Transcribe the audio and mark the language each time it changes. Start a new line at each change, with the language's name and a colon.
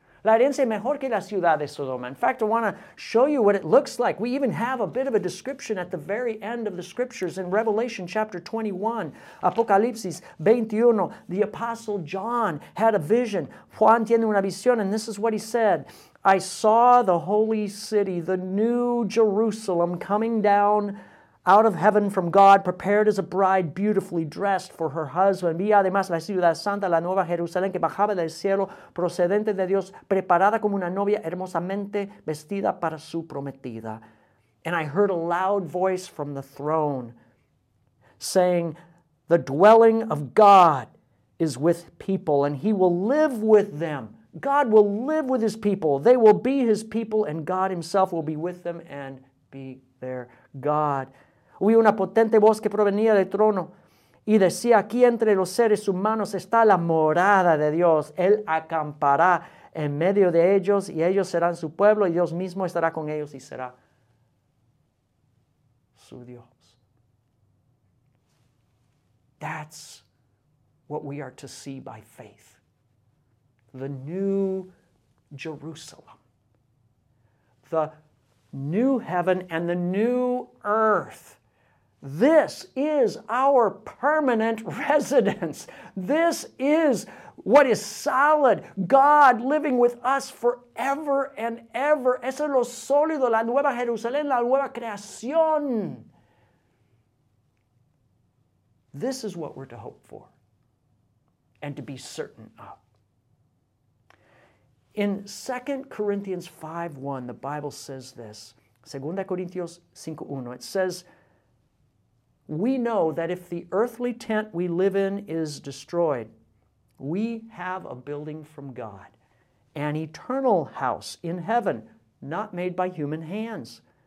Spanish: La herencia es mejor que la ciudad de Sodoma.
English: In fact, I want to show you what it looks like. We even have a bit of a description at the very end of the scriptures in Revelation chapter 21, Apocalipsis 21. The apostle John had a vision.
Spanish: Juan tiene una visión,
English: and this is what he said. I saw the holy city, the new Jerusalem, coming down out of heaven from God, prepared as a bride, beautifully dressed for her husband.
Spanish: Vi además la ciudad santa, la nueva Jerusalén, que bajaba del cielo, procedente de Dios, preparada como una novia, hermosamente vestida para su prometida.
English: And I heard a loud voice from the throne saying, the dwelling of God is with people, and he will live with them. God will live with his people. They will be his people, and God himself will be with them and be their God.
Spanish: Oí una potente voz que provenía del trono y decía, aquí entre los seres humanos está la morada de Dios. Él acampará en medio de ellos y ellos serán su pueblo y Dios mismo estará con ellos y será su Dios.
English: That's what we are to see by faith. The new Jerusalem. The new heaven and the new earth. This is our permanent residence. This is what is solid. God living with us forever and ever.
Spanish: Eso es lo sólido, la nueva Jerusalén, la nueva creación.
English: This is what we're to hope for and to be certain of. In 2 Corinthians 5:1, the Bible says this. 2 Corinthians 5:1, it says, we know that if the earthly tent we live in is destroyed, we have a building from God, an eternal house in heaven, not made by human hands.